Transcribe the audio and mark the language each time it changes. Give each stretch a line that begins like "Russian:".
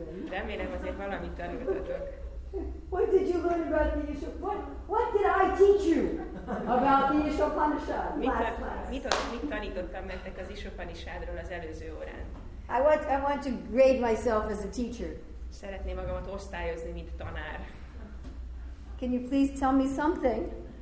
Hungarian: Remélem, azért valamit tanultatok.
English: What did you learn about the Isopanishad? What did I teach you about the Isopanishad last class?
Hungarian: Mit tanítottam nektek az Isopanishadról az előző órán?
English: I want to grade myself as a teacher.
Hungarian: Szeretném magamat osztályozni, mint tanár.
English: Can you please tell me something?